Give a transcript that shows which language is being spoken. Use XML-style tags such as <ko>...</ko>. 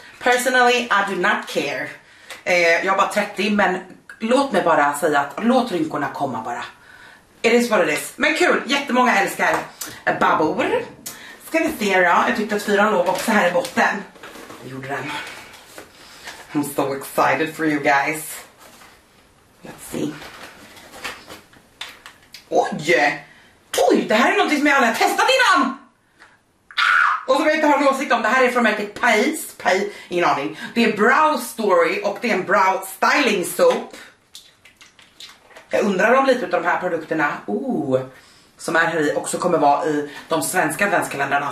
<en>Personally, I do not care.</en> <sv>Jag är bara 30, men låt mig bara säga att låt rynkorna komma bara.</sv> <en>It is what it is.</en> <sv>Men kul, jättemånga älskar Babour. Ska vi se då, jag tyckte att 4 låg också här i botten. Jag gjorde den.</sv> <en>I'm so excited for you guys. Let's see.</en> <sv>Oj! Oj, det här är något som jag aldrig har testat innan! Och som jag inte har någon åsikt om, det här är från märket Pais. Pais, ingen aning. Det är Brow Story och det är en Brow Styling Soap. Jag undrar om lite av de här produkterna, som är här i, också kommer vara i de svenska adventskalendrarna.</sv>